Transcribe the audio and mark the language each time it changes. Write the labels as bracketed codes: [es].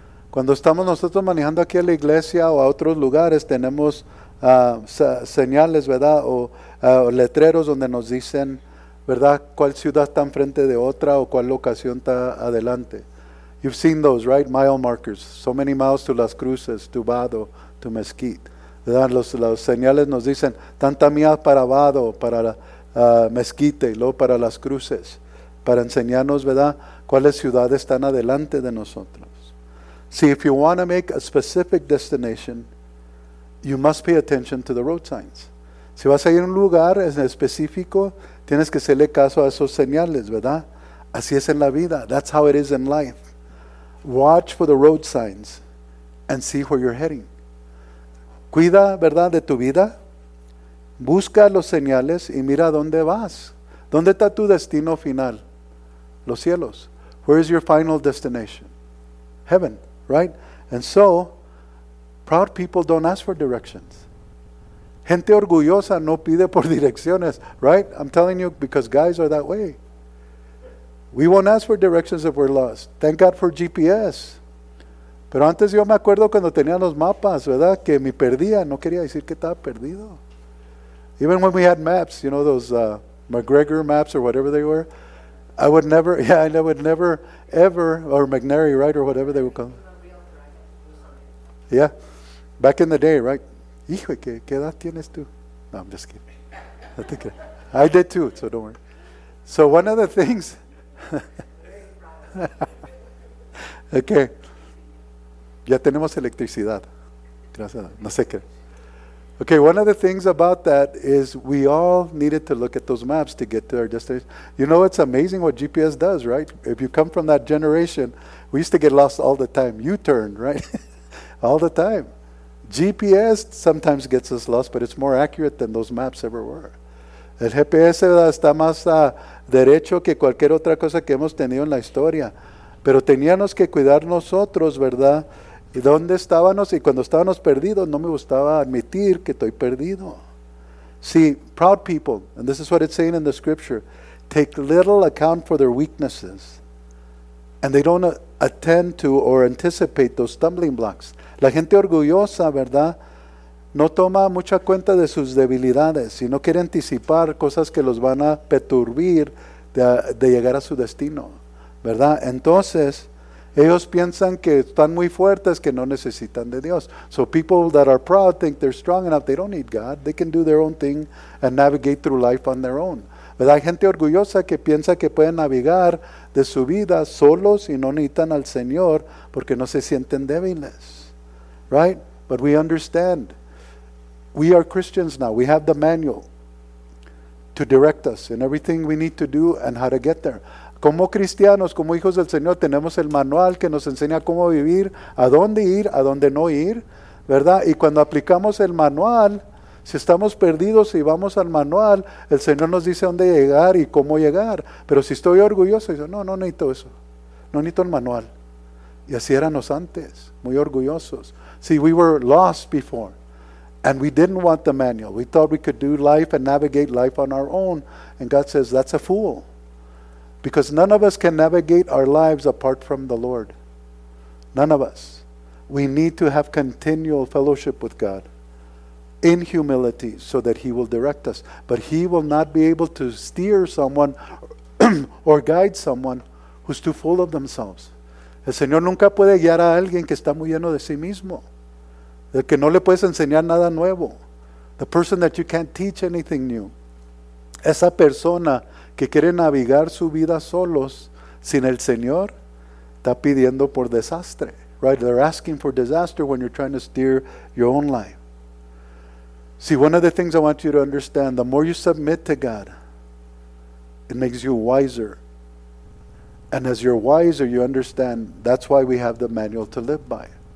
[es] Cuando estamos nosotros manejando aquí a la iglesia o a otros lugares, tenemos señales, ¿verdad? O letreros donde nos dicen, ¿verdad? ¿Cuál ciudad está enfrente de otra o cuál locación está adelante? [en] You've seen those, right? Mile markers. So many miles to Las Cruces, to Vado, to Mesquite. [es] Los señales nos dicen, tanta mía para Vado, para Mezquite, y luego para Las Cruces, para enseñarnos, ¿verdad?, cuáles ciudades están adelante de nosotros. [en] See, if you want to make a specific destination, you must pay attention to the road signs. [es] Si vas a ir a un lugar en específico, tienes que hacerle caso a esos señales, ¿verdad? Así es en la vida. [en] That's how it is in life. Watch for the road signs and see where you're heading. [es] Cuida, ¿verdad?, de tu vida. Busca los señales y mira dónde vas. ¿Dónde está tu destino final? Los cielos. [en] Where is your final destination? Heaven, right? And so, proud people don't ask for directions. [es] Gente orgullosa no pide por direcciones, [en] right? I'm telling you, because guys are that way. We won't ask for directions if we're lost. Thank God for GPS. [es] Pero antes yo me acuerdo cuando tenía los mapas, ¿verdad? Que me perdía, no quería decir que estaba perdido. [en] Even when we had maps, you know, those McGregor maps or whatever they were, I would never, ever, or McNary, right, or whatever they were called. Yeah, back in the day, right? [es] Hijo, ¿qué edad tienes tú? No, [en] I'm just kidding. [es] No te creas. [en] I did too, so don't worry. So one of the things. Okay. [es] Ya tenemos electricidad. Gracias. No sé qué. [en] Okay, one of the things about that is we all needed to look at those maps to get to our destination. You know, it's amazing what GPS does, right? If you come from that generation, we used to get lost all the time. U-turn, right? All the time. GPS sometimes gets us lost, but it's more accurate than those maps ever were. [es] El GPS está más derecho que cualquier otra cosa que hemos tenido en la historia. Pero teníamos que cuidar nosotros, ¿verdad? ¿Y dónde estábamos? Y cuando estábamos perdidos, no me gustaba admitir que estoy perdido. [en] See, proud people, and this is what it's saying in the scripture, take little account for their weaknesses. And they don't attend to or anticipate those stumbling blocks. [es] La gente orgullosa, ¿verdad? No toma mucha cuenta de sus debilidades y no quiere anticipar cosas que los van a perturbar de llegar a su destino, ¿verdad? Entonces, ellos piensan que están muy fuertes, que no necesitan de Dios. [en] So people that are proud think they're strong enough, they don't need God. They can do their own thing and navigate through life on their own. [es] ¿Verdad? Hay gente orgullosa que piensa que pueden navegar de su vida solos y no necesitan al Señor porque no se sienten débiles. [en] Right? But we understand. We are Christians now. We have the manual to direct us in everything we need to do and how to get there. [es] Como cristianos, como hijos del Señor, tenemos el manual que nos enseña cómo vivir, a dónde ir, a dónde no ir, ¿verdad? Y cuando aplicamos el manual, si estamos perdidos y vamos al manual, el Señor nos dice dónde llegar y cómo llegar. Pero si estoy orgulloso, yo no necesito eso. No necesito el manual. Y así éramos antes, muy orgullosos. [en] See, we were lost before. And we didn't want the manual. We thought we could do life and navigate life on our own. And God says, that's a fool. Because none of us can navigate our lives apart from the Lord. None of us. We need to have continual fellowship with God in humility so that He will direct us. But He will not be able to steer someone or guide someone who's too full of themselves. [es] El Señor nunca puede guiar a alguien que está muy lleno de sí mismo. El que no le puedes enseñar nada nuevo. [en] The person that you can't teach anything new. [es] Esa persona que quiere navegar su vida solos, sin el Señor, está pidiendo por desastre. [en] Right? They're asking for disaster when you're trying to steer your own life. See, one of the things I want you to understand, the more you submit to God, it makes you wiser. And as you're wiser, you understand, that's why we have the manual to live by.